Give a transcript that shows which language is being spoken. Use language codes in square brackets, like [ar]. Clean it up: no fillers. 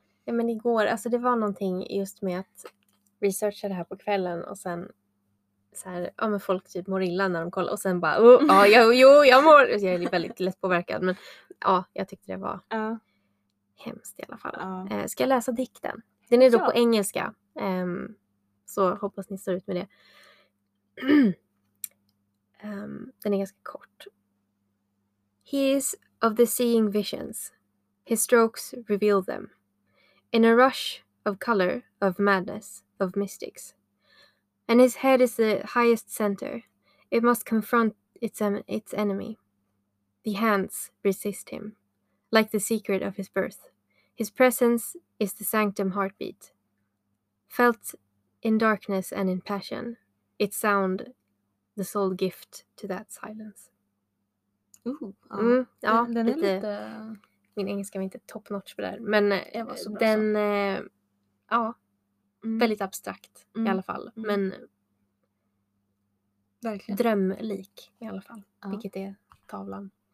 [sv] Ja, men igår, alltså det var någonting just med att researcha det här på kvällen och sen så här, ja men folk typ mår illa när de kollar och sen bara, ja, jag mår, jag är väldigt lättpåverkad, men ja, jag tyckte det var hemskt i alla fall. Ska jag läsa dikten? Den är då på engelska, så hoppas ni står ut med det. Den är ganska kort. [en] He is of the seeing visions. His strokes reveal them. In a rush of color, of madness, of mystics. And his head is the highest center. It must confront its enemy. The hands resist him, like the secret of his birth. His presence is the sanctum heartbeat. Felt in darkness and in passion, its sound the sole gift to that silence. Ooh, mm, [sv] den är lite... Min engelska var inte top notch på det här, men jag var så bra den, ja, mm. väldigt abstrakt i alla fall, men verkligen drömlik i alla fall, vilket är tavlan,